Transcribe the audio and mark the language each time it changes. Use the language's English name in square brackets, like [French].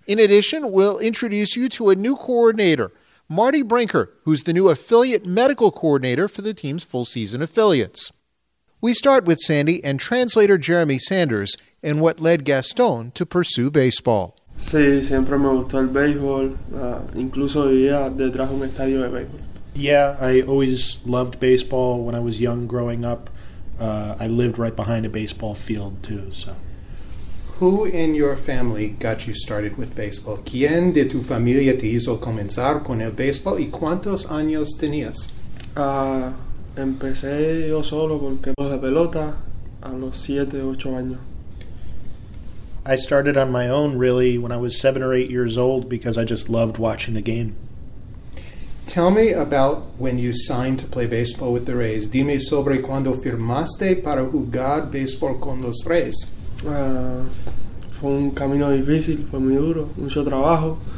[English] In addition, we'll introduce you to a new coordinator, Marty Brinker, who's the new affiliate medical coordinator for the team's full-season affiliates. We start with Sandy and translator Jeremy Sanders and what led Gaston to pursue baseball. [Spanish] Sí, siempre me gustó el béisbol. Incluso vivía detrás de un estadio de béisbol. [English] Yeah, I always loved baseball when I was young growing up. I lived right behind a baseball field, too. So, who in your family got you started with baseball? [Spanish] ¿Quién de tu familia te hizo comenzar con el béisbol? ¿Y cuántos años tenías? Empecé yo solo porque jugué la pelota a los 7, 8 años. [English] I started on my own, really, when I was 7 or 8 years old because I just loved watching the game. Tell me about when you signed to play baseball with the Rays. [Spanish] Dime sobre cuando firmaste para jugar baseball con los Rays. Fue un camino difícil, fue muy duro, mucho trabajo.